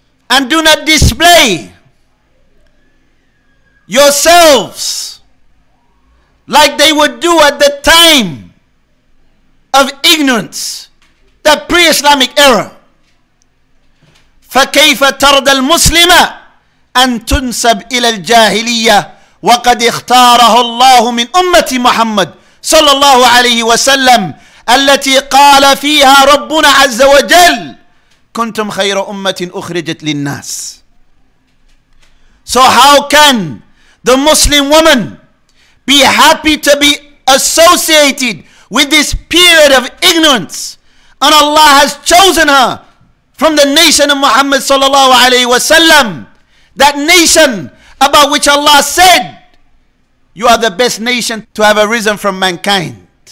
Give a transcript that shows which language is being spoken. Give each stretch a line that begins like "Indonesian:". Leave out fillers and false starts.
English: And do not display yourselves like they would do at the time of ignorance, the pre-Islamic era.
Arabic: فَكَيْفَ تَرْدَ الْمُسْلِمَ أَن تُنْسَبْ إِلَى الْجَاهِلِيَّةِ وَقَدْ اخْتَارَهُ اللَّهُ مِنْ أُمَّةِ مُحَمَّدٍ صلى الله عليه وسلم التي قال فيها ربنا عز وجل كنتم خير أمة أخرجت للناس.
English: So how can the Muslim woman be happy to be associated with this period of ignorance, and Allah has chosen her from the nation of Muhammad sallallahu alayhi wa sallam, that nation about which Allah said, you are the best nation to have arisen from mankind.